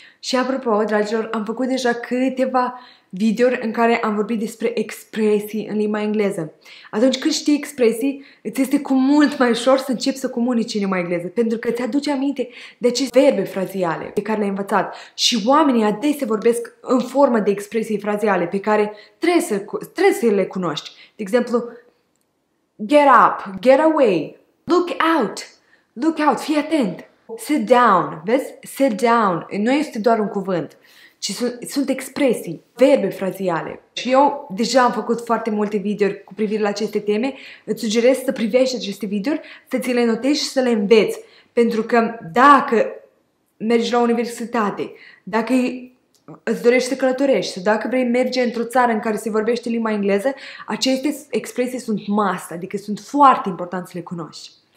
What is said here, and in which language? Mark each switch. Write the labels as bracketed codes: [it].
[ro] Și apropo, dragilor, am făcut deja câteva videouri în care am vorbit despre expresii în limba engleză. Atunci când știi expresii, îți este cu mult mai ușor să începi să comunici în limba engleză, pentru că ți-aduce aminte de aceste verbe fraziale pe care le-ai învățat. Și oamenii adesea vorbesc în formă de expresii fraziale pe care trebuie să le cunoști. De exemplu, [en] get up, get away, look out, [ro] look out, fii atent. [en] Sit down, [ro] vezi? [en] Sit down. [ro] Nu este doar un cuvânt, ci sunt expresii, verbe fraziale. Și eu deja am făcut foarte multe videouri cu privire la aceste teme. Îți sugerez să privești aceste videouri, să ți le notezi și să le înveți. Pentru că dacă mergi la universitate, dacă îți dorești să călătorești, sau dacă vrei merge într-o țară în care se vorbește limba engleză, aceste expresii sunt must, adică sunt foarte important să le cunoști.